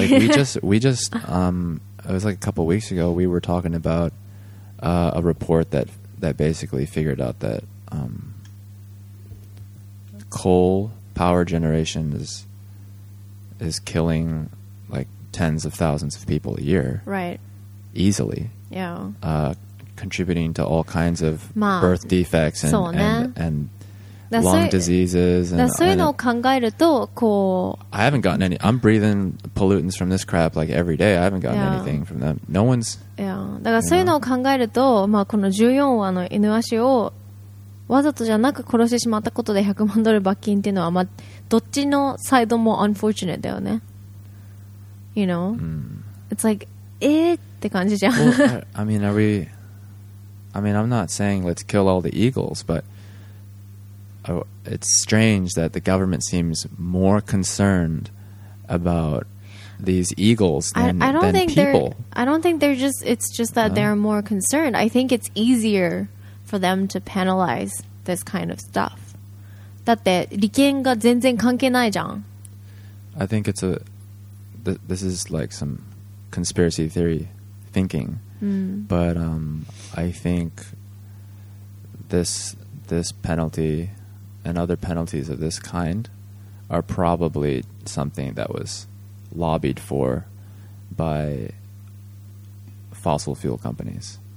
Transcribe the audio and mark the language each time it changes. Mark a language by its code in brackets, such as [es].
[en] Like we just it was like a couple of weeks ago, we were talking about a report that basically figured out that coal power generation is killing like tens of thousands of people a year. Right. Easily. Yeah. Contributing to all kinds of birth defects and lung diseases. And [ja] そういうのを考えるとこう、 [en] I haven't gotten any. I'm breathing pollutants from this crap like every day. I haven't gotten anything from them. No one's. Yeah. [ja] だからそういうのを考えると、まあこの14羽の犬足をわざとじゃなく殺してしまったことで100万ドル罰金っていうのは、まあ、どっちのサイドも unfortunate だよね。 [en] You know?、 Mm. It's like, [ja] えー、って感じじゃん。 [en] Well, I mean, are we... I mean, I'm not saying let's kill all the eagles, but it's strange that the government seems more concerned about these eagles than people. I don't think they're just... It's just that they're more concerned. I think it's easier... for them to penalize this kind of stuff. [ja] だって利権が全然関係ないじゃん。 [en] I think it's a this is like some conspiracy theory thinking、but I think this penalty and other penalties of this kind are probably something that was lobbied for by fossil fuel companies.